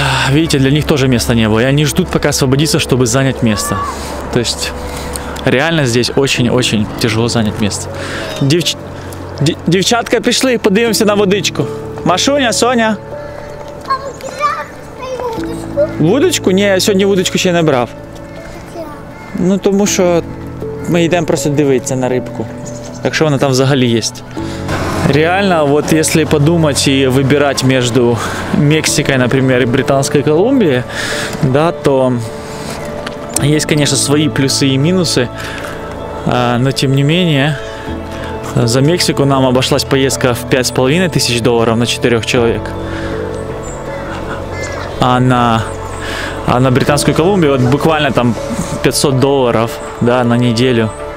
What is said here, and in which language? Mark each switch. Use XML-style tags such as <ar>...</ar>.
<ru>Видите, для них тоже места не было. И они ждут, пока освободится, чтобы занять место. То есть, реально здесь очень-очень тяжело занять место. Девчатка, пришли, поднимемся на водичку. Машуня, Соня. Водичку?</ru> <uk>Ні, я сьогодні водичку ще не брав. Ну, тому що ми йдемо просто дивитися на рибку. Якщо вона там взагалі є.</uk> <ru>Реально, вот если подумать и выбирать между Мексикой, например, и Британской Колумбией, да, то есть, конечно, свои плюсы и минусы, но тем не менее, за Мексику нам обошлась поездка в $5,500 на 4 человек, а на Британскую Колумбию вот буквально там $500, да, на неделю.</ru>